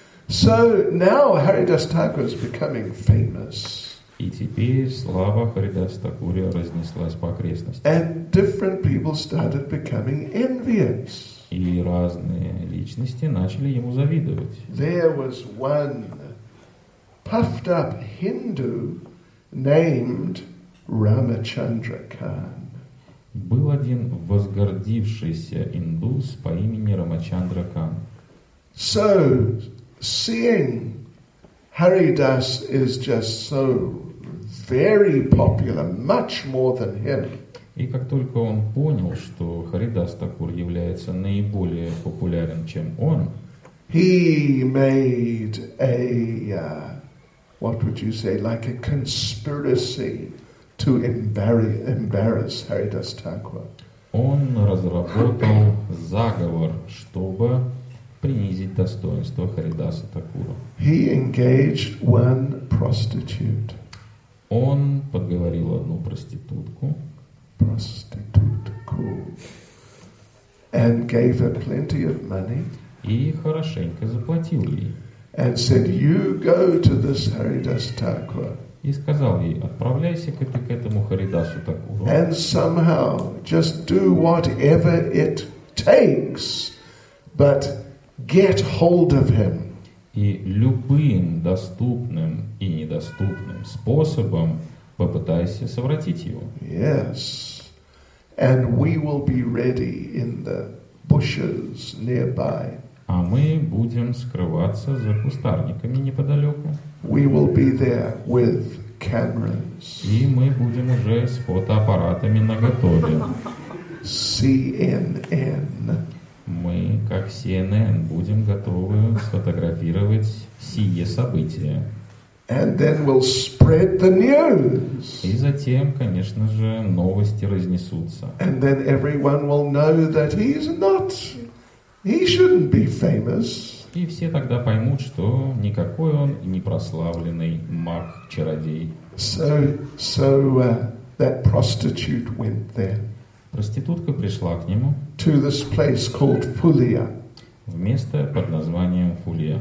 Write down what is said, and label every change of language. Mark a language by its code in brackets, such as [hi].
[en] So now Haridas Thakur is becoming famous. [ru] И теперь слава Харидас Такуре разнеслась по окрестностям. [en] And different people started becoming envious. [ru] И разные личности начали ему завидовать. [en] There was one puffed up Hindu named Ramachandra Khan. [ru] Был один возгордившийся индус по имени Рамачандра Кан. [en] So seeing Haridas is just so very popular, much more than him. [ru] И как только он понял, что Харидас Такур является наиболее популярен, чем он, [en] he made a what would you say, like a conspiracy to embarrass Haridas Thakur. [ru] Он разработал заговор, чтобы принизить достоинство Харидаса Такура. [en] He engaged one prostitute. [ru] Он подговорил одну проститутку. Проститутку. [en] And gave her plenty of money. [ru] И хорошенько заплатил ей. [en] And said, you go to this Haridas Thakur. [ru] И сказал ей, отправляйся к этому Харидасу Такуру. [en] And somehow, just do whatever it takes, but get hold of him. [ru] И любым доступным и недоступным способом попытайся совратить его. [en] Yes. And we will be ready in the bushes nearby. [ru] А мы будем скрываться за кустарниками неподалеку. [en] We will be there with cameras. [ru] И мы будем уже с фотоаппаратами наготове. [en] CNN. [ru] Мы, как CNN, будем готовы сфотографировать сие события. [en] And then we'll spread the news. [ru] И затем, конечно же, новости разнесутся. [en] And then everyone will know that he's not. He shouldn't be famous. [ru] И все тогда поймут, что никакой он не прославленный маг-чародей. [en] So, that prostitute went there. [ru] Проститутка пришла к нему. [en] To this place called Fulia. [ru] В место под названием Фулия.